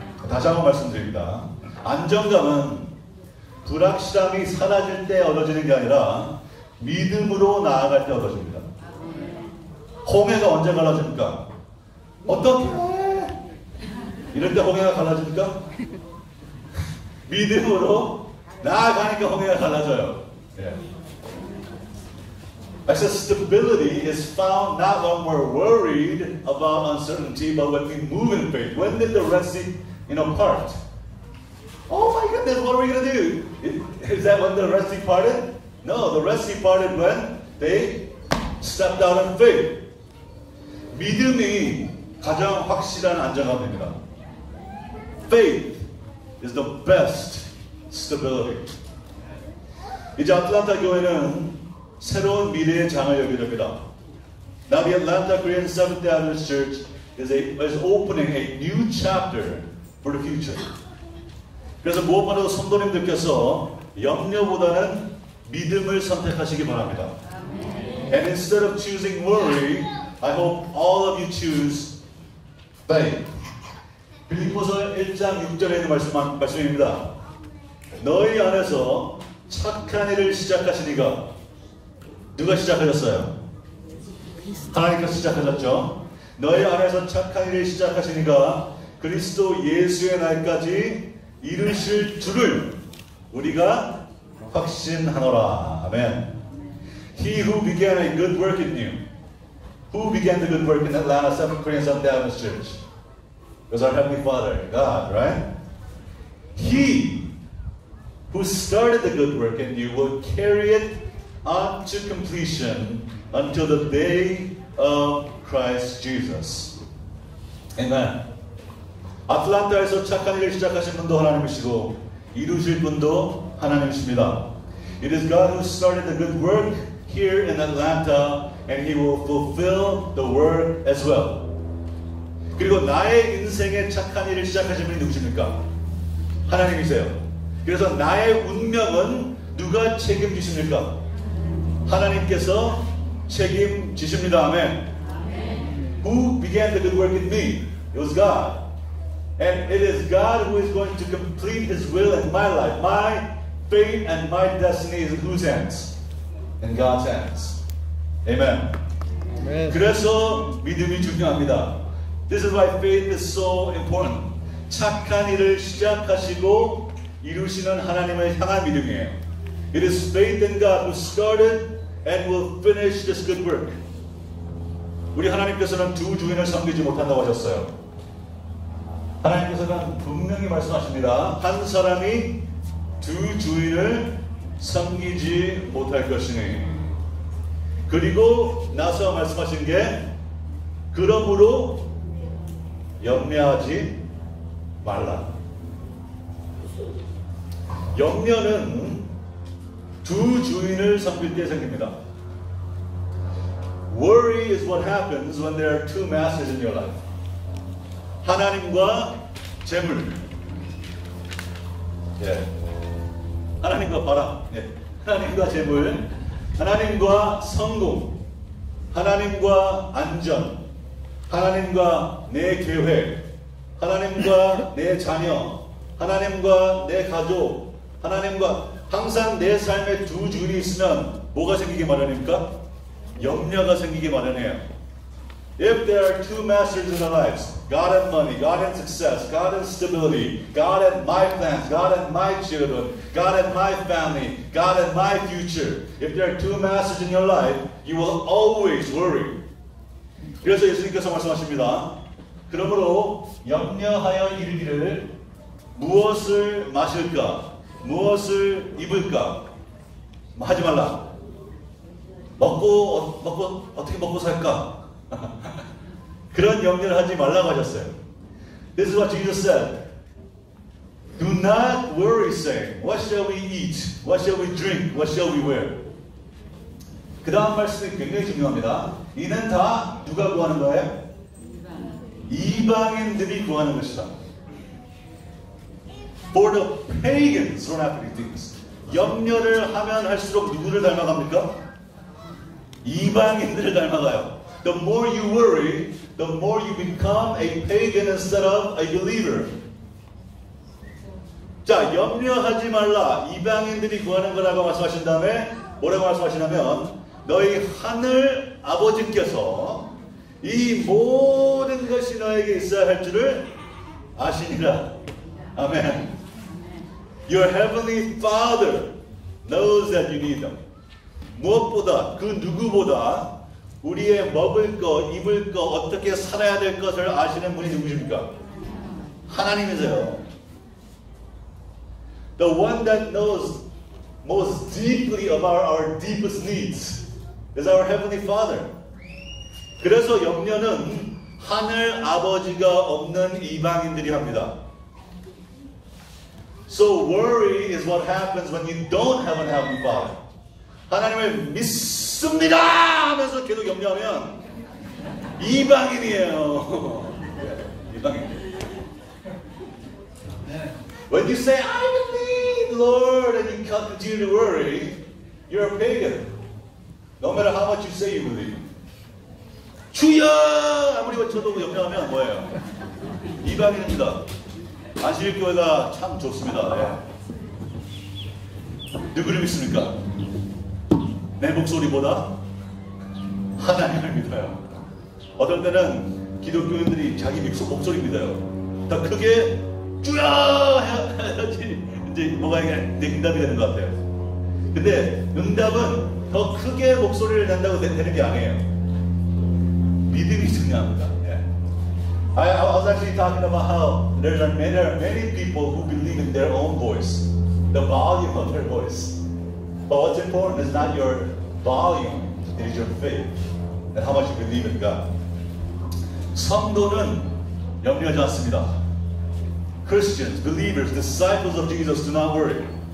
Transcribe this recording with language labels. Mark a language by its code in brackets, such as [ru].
[ko] 다시 한번 말씀드립니다. 안정감은 불확실함이 사라질 때 얻어지는 게 아니라 믿음으로 나아갈 때 얻어집니다. 홍해가 언제 갈라집니까? 어떻게? 이럴 때 홍해가 갈라집니까? 믿음으로 나아가니까 홍해가 갈라져요. [en] Yeah. I said stability is found not when we're worried about uncertainty, but when we move in faith. When did the Red Sea, you know, part? Oh my goodness, what are we going to do? Is that when the Red Sea parted? No, the Red Sea parted when they stepped out in faith. [ko] 믿음이 가장 확실한 안정감입니다. [en] Faith is the best stability. [ko] 이제 아틀란타 교회는 새로운 미래의 장을 열게 됩니다. [en] Now the Atlanta Korean Seventh-day Adventist Church is opening a new chapter for the future. [ko] 그래서 무엇보다도 성도님들께서 염려보다는 믿음을 선택하시기 바랍니다. [en] And instead of choosing worry, I hope all of you choose faith. [ko] 빌립보서 1장 6절에는 말씀입니다. 너희 안에서 착한 일을 시작하신 이가 누가 시작하셨어요? 하나님께서 시작하셨죠. 너희 안에서 착한 일을 시작하신 이가 그리스도 예수의 날까지 이르실 줄을 우리가 확신하노라. 아멘. [en] He who began a good work in you. Who began the good work in Atlanta, Seventh Korean Seventh-day Adventist Church? It was our Heavenly Father, God, right? He who started the good work in you will carry it on to completion until the day of Christ Jesus. Amen. [ko] 아틀란타에서 착한 일을 시작하신 분도 하나님이시고 이루실 분도 하나님이십니다. [en] It is God who started the good work here in Atlanta and he will fulfill the work as well. [ko] 그리고 나의 인생에 착한 일을 시작하신 분이 누구십니까? 하나님이세요. 그래서 나의 운명은 누가 책임지십니까? 하나님께서 책임지십니다. [en] 아멘. Who began the good work in me? It was God. And it is God who is going to complete his will in my life. My fate and my destiny is in whose hands? In God's hands. Amen. Amen. [ko] 그래서 믿음이 중요합니다. [en] This is why faith is so important. [ko] 착한 일을 시작하시고 이루시는 하나님을 향한 믿음이에요. [en] It is faith in God who started and will finish this good work. [ko] 우리 하나님께서는 두 주인을 섬기지 못한다고 하셨어요. 하나님께서는 분명히 말씀하십니다. 한 사람이 두 주인을 섬기지 못할 것이니. 그리고 나서 말씀하신 게 그러므로 염려하지 말라. 염려는 두 주인을 섬길 때 생깁니다. [en] Worry is what happens when there are two masters in your life. [ko] 하나님과 재물. 예. 하나님과 바람. 예. 하나님과 재물. 하나님과 성공. 하나님과 안전. 하나님과 내 계획. 하나님과 내 자녀. 하나님과 내 가족. 하나님과 항상 내 삶에 두 주인이 있으면 뭐가 생기기 마련입니까? 염려가 생기기 마련이에요. [en] If there are two masters in our lives, God and money, God and success, God and stability, God and my plans, God and my children, God and my family, God and my future, if there are two masters in your life, you will always worry. [ko] 그래서 예수님께서 말씀하십니다. 그러므로 염려하여 이르기를 무엇을 마실까? 무엇을 입을까? 하지 말라. 먹고 어떻게 먹고 살까? 그런 염려를 하지 말라고 하셨어요. [en] This is what Jesus said. Do not worry, saying, What shall we eat? What shall we drink? What shall we wear? [ko] 그 다음 말씀이 굉장히 중요합니다. 이는 다 누가 구하는 거예요? 이방인들이 구하는 것이다. [en] For the pagans don't have any things. [ko] 염려를 하면 할수록 누구를 닮아갑니까? 이방인들을 닮아가요. [en] The more you worry, the more you become a pagan instead of a believer. [ko] 자, 염려하지 말라. 이방인들이 구하는 거라고 말씀하신 다음에 뭐라고 말씀하시냐면 너희 하늘 아버지께서 이 모든 것이 너에게 있어야 할 줄을 아시니라. 아멘. [en] Your heavenly Father knows that you need them. [ko] 무엇보다 그 누구보다 우리의 먹을 거, 입을 거, 어떻게 살아야 될 것을 아시는 분이 누구십니까? 하나님이세요. [en] The one that knows most deeply about our deepest needs is our heavenly Father. [ko] 그래서 염려는 하늘 아버지가 없는 이방인들이 합니다. [en] So worry is what happens when you don't have a heavenly Father. [ko] 하나님을 믿습니다 하면서 계속 염려하면 이방인이에요. 이방인. [en] When you say I believe Lord and you continue to worry, you're a pagan. No matter how much you say you believe. [ko] 주여 아무리 외쳐도 염려하면 뭐예요? 이방인입니다. 안식일 교회가 참 좋습니다. 네. 누구를 믿습니까? 내 목소리보다 하나님을 믿어요. 어떨 때는 기독교인들이 자기 목소리 믿어요. 더 크게 주여 해야지 이제 뭐가 이게 응답이 되는 것 같아요. 근데 응답은 더 크게 목소리를 낸다고 되는 게 아니에요. 믿음이 중요합니다. [en] I was actually talking about how there are many people who believe in their own voice, the volume of their voice. But what's important is not your volume, it is your faith and how much you believe in God. [ko] 성도는 염려하지 않습니다. [en] Christians, believers, disciples of Jesus do not worry.